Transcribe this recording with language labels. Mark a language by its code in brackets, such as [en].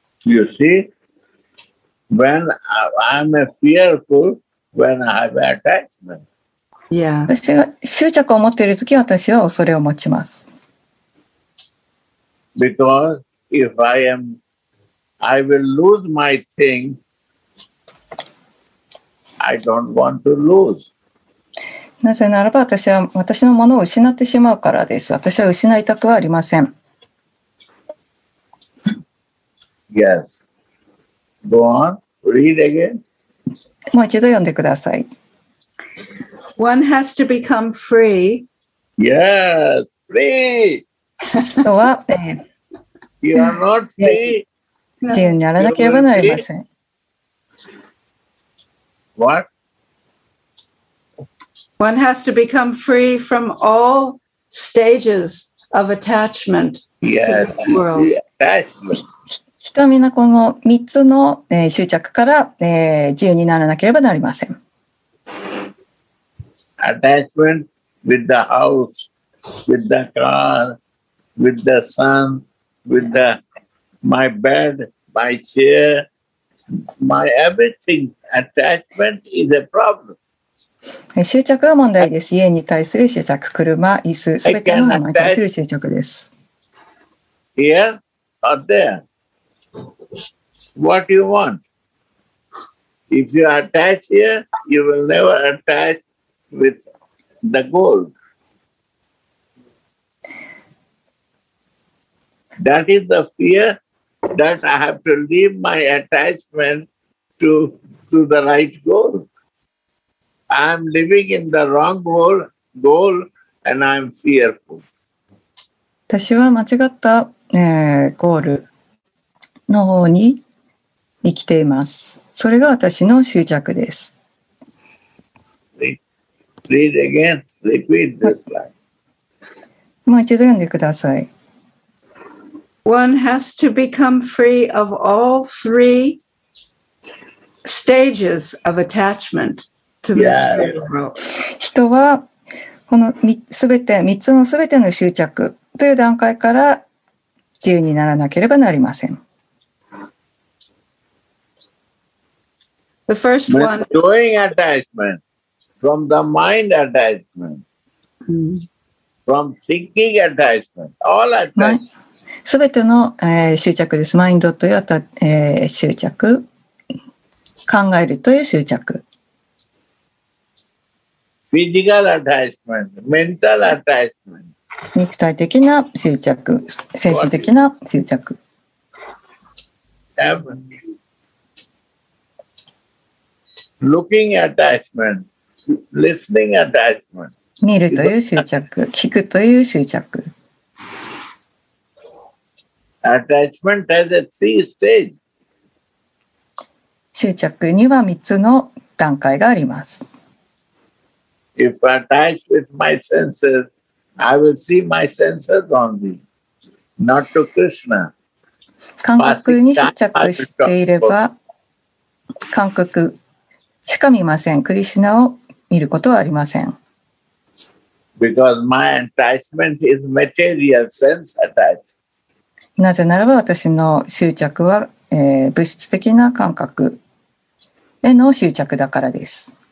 [en] You see, when I'm fearful, when I have attachment. Yeah. [ja] 執着を持っているとき、私は恐れを持ちます。 [en] Because if I will lose my thing, I don't want to lose. [ja] なぜならば私は私のものを失ってしまうからです。私は失いたくはありません。 [en] Yes. Go on. Read again. [ja] もう一度読んでください。 [en] One has to become free. Yes, free. [ja] 人は、 [en] You are not free. [ja] 自由にならなければなりません。 [en] What? One has to become free from all stages of attachment yes, to this world. Attachment. [ja] 人はみんなこの三つの、執着から、自由にならなければなりません。 [en] Attachment with the house, with the car, with the sun, with the my bed, my chair, my everything. Attachment is a problem. [ja] 執着が問題です。家に対する執着、車、椅子、すべてのものに対する執着です。 [en] Here or there? What do you want? If you attach here, you will never attach. With the gold. That is the fear that I have to leave my attachment to the right goal. I'm living in the wrong goal and I'm fearful. [ja] 私は間違った、ゴールの方に生きています。それが私の執着です。 [en] Read again. Repeat this line. [ja] もう一度読んでください。 [en] One has to become free of all three stages of attachment to the material world. [ja] 人はこのすべて三つのすべての執着という段階から自由にならなければなりません。 [en] The first one. Doing attachment. From the mind attachment, from thinking attachment, all attachment. [ja] すべての、執着です。マインドという執着、考えるという執着。 [en] Physical attachment, mental attachment. [ja] 肉体的な執着、精神的な執着。 [en] Looking attachment. Listening attachment. [ja] 見るという執着、聞くという執着。 [en] Attachment has a three stage. [ja] 執着には三つの段階があります。 [en] If attached with my senses, I will see my senses only, not to Krishna. [ja] 感覚に執着していれば、感覚しか見ません。クリシュナを見ることはありません。 [en] Because my attachment is material sense attached. [ja] なぜならば私の執着は、物質的な感覚への執着だからです。